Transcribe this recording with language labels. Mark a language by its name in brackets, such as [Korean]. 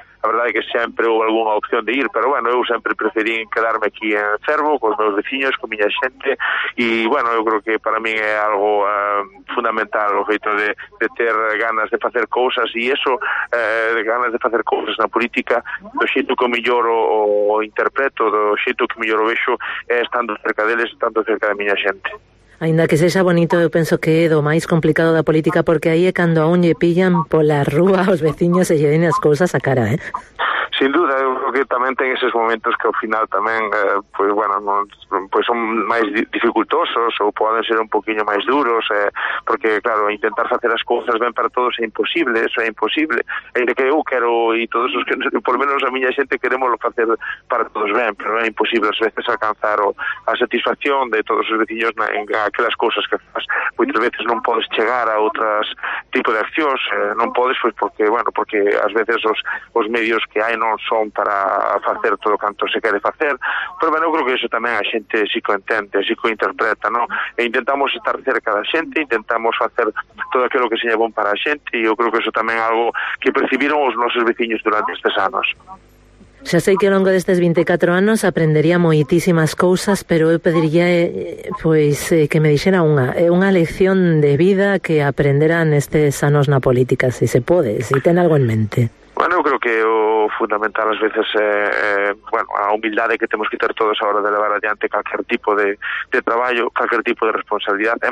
[Galician] A verdade é que sempre houve alguna opción de ir, pero bueno, eu sempre preferí quedarme aquí en Cervo, con meus veciños, con miña xente, e bueno, eu creo que para min é algo fundamental o feito de ter ganas de facer cousas, e eso, de ganas de facer cousas na política, do xeito que mellor o interpreto, do xeito que mellor o vexo, é estando cerca deles, estando cerca da miña xente. Ainda que sexa bonito, eu penso que é do máis complicado da política, porque aí é cando aún lle pillan pola rúa os veciños e lle den as cousas a cara, [Spanish] Sin duda, eu concretamente en esos momentos que al final también, pues bueno, no, pues son más dificultosos o pueden ser un poquillo más duros, porque claro, intentar hacer las cosas bien para todos es imposible, eso es imposible. De que yo quiero y todos los que, por lo menos a mi gente, queremos lo hacer para todos bien, pero es imposible a veces alcanzar o la satisfacción de todos los vecinos en aquellas cosas que haces. Muchas veces no puedes llegar a otros tipos de acciones, no puedes, pues porque, bueno, porque a veces los medios que hay no son para hacer todo cuanto se quiere hacer, pero bueno, creo que eso también a gente sí que entiende, sí que interpreta, ¿no? E intentamos estar cerca de la gente, intentamos hacer todo aquello que sea bueno para la gente, y yo creo que eso también es algo que percibieron los nuestros vecinos durante estos años. [Galician] Xa sei que ao longo destes 24 anos aprendería moitísimas cousas, pero eu pediría pois que me dixera unha lección de vida que aprenderan estes anos na política, se se pode, se ten algo en mente. Bueno, eu creo que o fundamental ás veces bueno, a humildade que temos que ter todos a hora de levar adiante calquer tipo de traballo, calquer tipo de responsabilidade.